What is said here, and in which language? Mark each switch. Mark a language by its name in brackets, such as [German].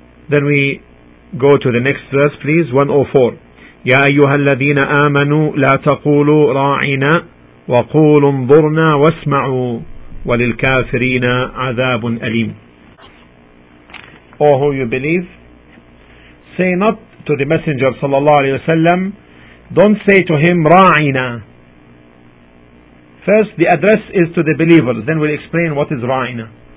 [English] Then we go to the next verse, please. 104. [Arabic] يا أيها الذين آمنوا لا تقولوا راعنا وقولوا انظرنا واسمعوا وللكافرين عذاب أليم. [English] Oh, who you believe, say not to the messenger صلى الله عليه وسلم, don't say to him راعنا. First, the address is to the believers. Then we'll explain what is Ra'ina.